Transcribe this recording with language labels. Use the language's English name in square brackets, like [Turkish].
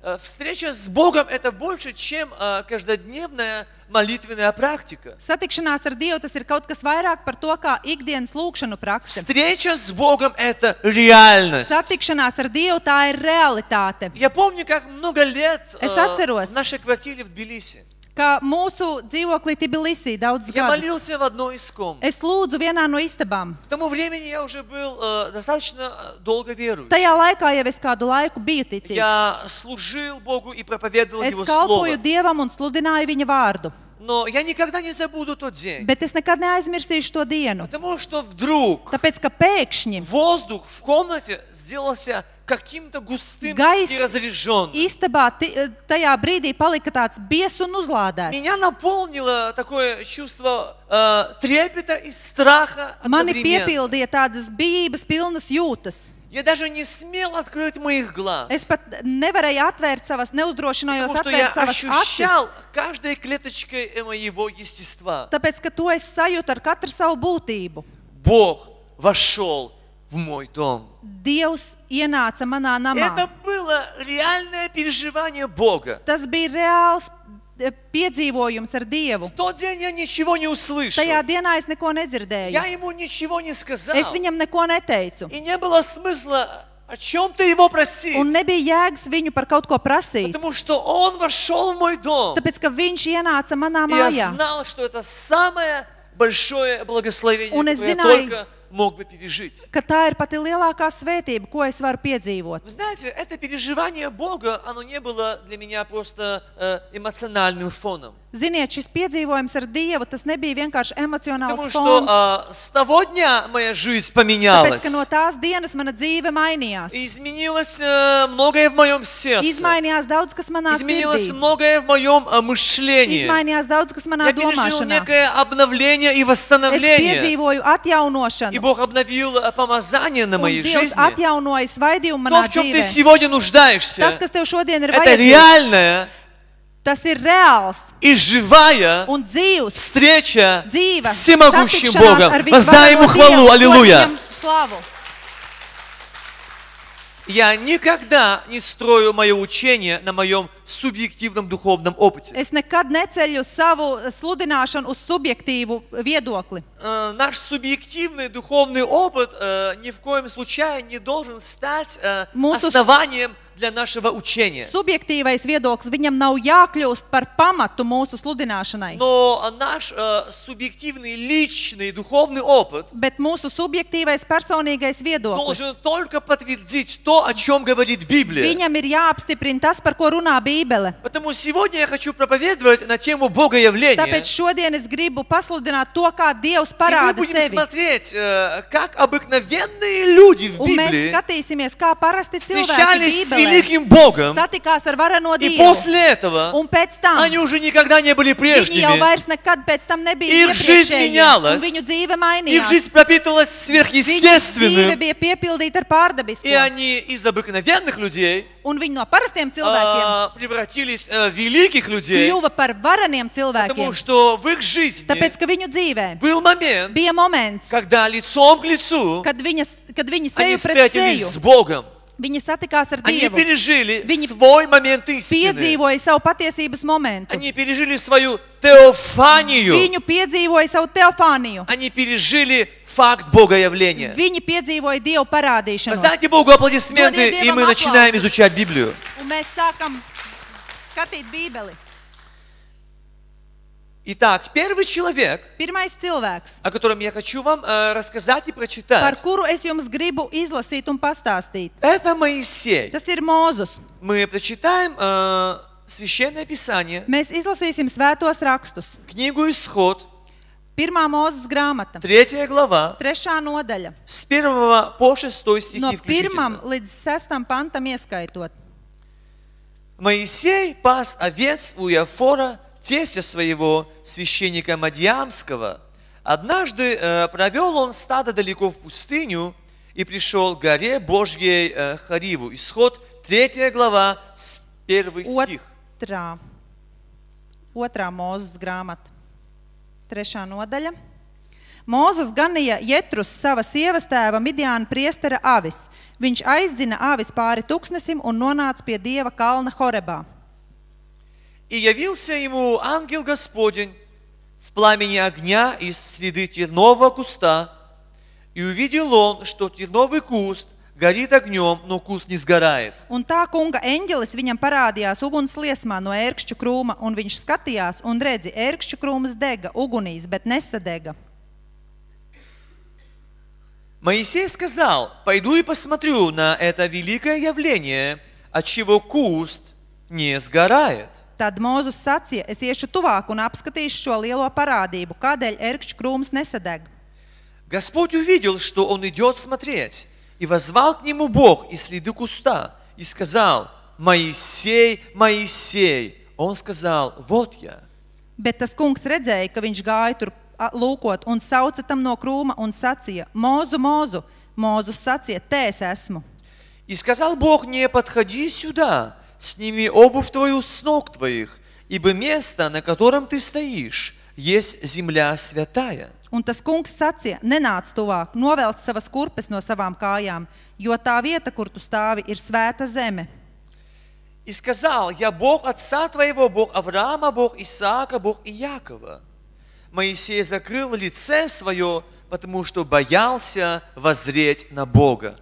[Russian] Встреча с Богом это больше, чем каждодневная молитвенная практика. [Latvian] Satikšanās ar Dievu tas ir kaut kas vairāk par to, kā ikdienas lūkšanu praksa. [Russian] Встреча с Богом это реальность. [Latvian] Satikšanās ar Dievu tā ir realitāte. [Russian] Я помню, как много лет [Latvian] Es atceros, [Russian] в нашей квартире в Тбилиси. [Latvian] Ka mūsu dzīvoklī Tbilisī daudz gadus. [Russian] Я молился в одной из комнат. [Latvian] Es lūdzu vienā no istabām. [Russian] К тому времени я уже был достаточно долго верующим. [Latvian] Tajā laikā jau es kādu laiku biju ticīgs. [Russian] Я служил Богу и проповедовал его слово. [Latvian] Es kalpoju Dievam un sludināju viņa vārdu. [Russian] Но я никогда не забуду тот день. [Latvian] Bet es nekad neaizmirsīšu to dienu. [Russian] Потому что вдруг. [Latvian] Tāpēc, ka pēkšņi. [Russian] Воздух в комнате сделался каким-то густым и разрежённым. [Latvian] Istabā tajā brīdī palika tāds biesu un uzlādēts. [Russian] Меня наполнило такое чувство трепета и страха одновременно. [Latvian] Mani piepildīja tādas bības pilnas jūtas. [Russian] Я даже не смел открыть моих глаз. [Latvian] Es pat nevarēju atvērt savas, neuzdrošinājos atvērt savas acis. [Russian] Я ощущал каждой клеточкой моего естества. [Latvian] Tāpēc, ka to es sajūtu ar katru savu būtību. [Russian] Бог вошёл в мой дом. [Latvian] Dievs ienāca manā namā. [Russian] Это было реальное переживание Бога. [Latvian] Tas bija reāls piedzīvojums ar Dievu. [Russian] В тот день я ничего не услышал. [Latvian] Tajā dienā es neko nedzirdēju. [Russian] Я ему ничего не сказал. [Latvian] Es viņam neko neteicu. [Russian] И не было смысла о чём-то его просить. [Latvian] Un nebija jēgas viņu par kaut ko prasīt. [Russian] Потому что он вошёл в мой дом. [Latvian] Tāpēc, ka viņš ienāca manā mājā. [Russian] Я знал, что это самое большое благословение, которое я только мог бы пережить. [Latvian] Ka tā ir pati lielākā svētība, ko es varu piedzīvot. [Russian] Знаете, это переживание Бога, оно не было для меня просто эмоциональным фоном. [Latvian] Ziniet, šis piedzīvojums ar Dievu, tas nebija vienkārši emocionāls fons. [Russian] Потому что с того дня моя жизнь поменялась. [Latvian] Tāpēc, ka no tās dienas mana dzīve mainījās. [Russian] Изменилось многое в моём сердце. [Latvian] Izmainījās daudz, kas manā sirdī. [Russian] Изменилось многое в моём мышлении. [Latvian] Izmainījās daudz, kas manā domāšanā. [Russian] Я пережил некое обновление и восстановление. [Latvian] Es piedzīvoju atjaunošanu. [Russian] И Бог обновил помазание на моей жизни. [Latvian] Un Dievs atjaunoja svaidījumu manā dzīvē. [Russian] То, в чём ты сегодня нуждаешься. [Latvian] Tas, kas tev šodien ir vajadzīgs. [Russian] Это реальное [Latvian] Tas ir reāls. [Russian] И живая. [Latvian] Un dzīvs. [Russian] Встреча. [Latvian] Dzīva. [Russian] Всемогущим Богом. Воздай ему хвалу. Аллилуйя. Славу. Я никогда не строю моё учение на моём субъективном духовном опыте. [Latvian] Es nekad neceļu savu sludināšanu uz subjektīvu viedokli. [Russian] Наш субъективный духовный опыт ни в коем случае не должен стать основанием для нашего учения. Субъективный взгляд, [Latvian] виņam nav jākļūst par pamatu mūsu sludināšanai. [Russian] Но наш субъективный личный духовный опыт. [Latvian] Bet mūsu subjektīvais personīgais viedoklis. [Russian] Должен только подтвердить то, о чём говорит Библия. [Latvian] Viņam ir jāapstiprina tas, par ko runā Bībele. [Russian] Поэтому сегодня я хочу проповедовать на тему Богоявления. [Latvian] Tāpēc šodien es gribu pasludināt to, kā Dievs parāda sevi. [Russian] И мы будем смотреть, как обыкновенные люди в Библии. [Latvian] Un mēs skatīsimies, kā parasti cilvēki Bībelē. [Russian] С великим Богом. [Latvian] Satikās ar varano Dievu. [Russian] И после этого. [Latvian] Un pēc tam. [Russian] Они уже никогда не были прежними. [Latvian] Viņi jau vairs nekad pēc tam nebija iepriekšēji. [Russian] Их жизнь менялась. [Latvian] Un viņu dzīve mainījās. [Russian] Их жизнь пропитывалась сверхъестественным. [Latvian] Viņu dzīve bija piepildīta ar pārdabisko. [Russian] И они из обыкновенных людей. [Latvian] Un viņi no parastiem cilvēkiem [Russian] превратились в великих людей. [Latvian] Kļuva par vareniem cilvēkiem. [Russian] Потому что в их жизни. [Latvian] Tāpēc, ka viņu dzīvē. [Russian] Был момент. [Latvian] Bija moments. [Russian] Когда лицом к лицу. [Latvian] Kad viņi seju pret seju. [Russian] Они встретились с Богом. [Latvian] Viņi satikās ar Dievu. [Russian] Они пережили [Latvian] viņi [Russian] свой момент истины. [Latvian] Piedzīvoja savu patiesības momentu. [Russian] Они пережили свою теофанию. [Latvian] Viņu piedzīvoja savu teofāniju. [Russian] Они пережили факт Богоявления. [Latvian] Viņi piedzīvoja Dievu parādīšanos. [Russian] Воздайте Богу аплодисменты, и мы начинаем изучать Библию. [Latvian] Un mēs sākam skatīt Bībeli. [Russian] Итак, первый человек, [Latvian] Pirmais cilvēks, [Russian] о котором я хочу вам рассказать и прочитать, [Latvian] par kuru es jums gribu izlasīt un pastāstīt, [Russian] это Моисей. [Latvian] Tas ir Mozus. [Russian] Мы прочитаем Священное Писание. [Latvian] Mēs izlasīsim svētos rakstus. [Russian] Книгу Исход. [Latvian] Pirmā Mozus grāmata. [Russian] Третья глава. [Latvian] Trešā nodaļa. [Russian] С первого по шестой стихи включительно. [Latvian] No pirmam līdz sestam pantam ieskaitot. [Russian] Моисей пас овец у Иофора, тестя своего, священника Мадиамского. Однажды провел он стадо далеко в пустыню и пришел к горе Божьей Хариву. Исход, 3 глава, 1 стих. [Latvian] Otrā Mozus grāmata, 3. nodaļa. Mozus ganīja Jetrus sava sievas tēva Midiāna priestera avis. Viņš aizdzina avis pāri tuksnesim un nonāca pie Dieva kalna Horebā. [Russian] И явился ему ангел Господень в пламени огня из среды тернового куста, и увидел он, что терновый куст горит огнем, но куст не сгорает. [Latvian] Un tā kunga eņģelis viņam parādījās ugunsliesmā no ērkšķu krūma, un viņš skatījās un redzi, ērkšķu krūmas dega ugunīs, bet nesadega. [Russian] Моисей сказал: «Пойду и посмотрю на это великое явление, отчего куст не сгорает». [Latvian] Tad Mozus sacīja, es iešu tuvāk un apskatīšu šo lielo parādību, kādēļ ērkšķu krūms nesadeg. [Russian] Господь увидел, что он идёт смотреть, и воззвал к нему Бог из среды куста, и сказал: «Моисей, Моисей!» Он сказал: «Вот я». [Latvian] Bet tas kungs redzēja, ka viņš gāja tur lūkot un sauca tam no krūma un sacīja: «Mozu, Mozu!» Mozus sacīja: «Te es esmu!» [Russian] И сказал Бог: «Не подходи сюда!» Сними обувь твою с ног твоих, ибо место, на котором ты стоишь, есть земля святая. [Latvian] Un tas kungs sacīja, nenāc tuvāk, novelc savas kurpes no savām kājām, jo tā vieta, kur tu stāvi, ir svēta zeme. [Russian] И сказал: «Я Бог отца твоего, Бог Авраама, Бог Исаака, Бог Иакова». Моисей закрыл лице свое, потому что боялся воззреть на Бога.